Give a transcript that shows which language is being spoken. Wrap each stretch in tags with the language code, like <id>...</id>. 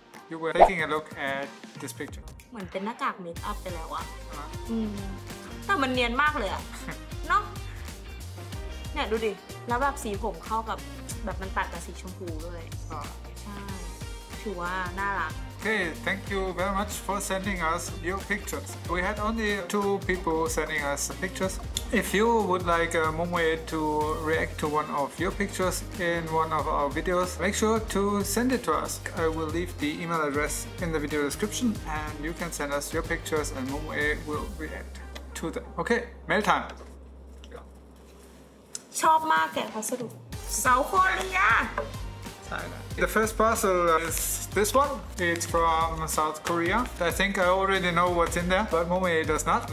<en>You were taking a look at this picture.</en> <th>เหมือนเป็นหน้ากากเมคอัพไปแล้วอะ แต่มันเนียนมากเลยอะ นะเนี่ยดูดิแล้วแบบสีผมเข้ากับแบบมันตัดกับสีชมพูด้วยใช่ถือว่าน่ารัก</th> <en>Okay, thank you very much for sending us your pictures. We had only two people sending us pictures. If you would like Mongwei to react to one of your pictures in one of our videos, make sure to send it to us. I will leave the email address in the video description and you can send us your pictures and Mongwei will react to them. Okay, mail time.</en> <th>ชอบมากแกะพัสดุเซาโคเรีย</th> <en>The first parcel is this one. It's from South Korea. I think I already know what's in there, but Mumei does not.</en>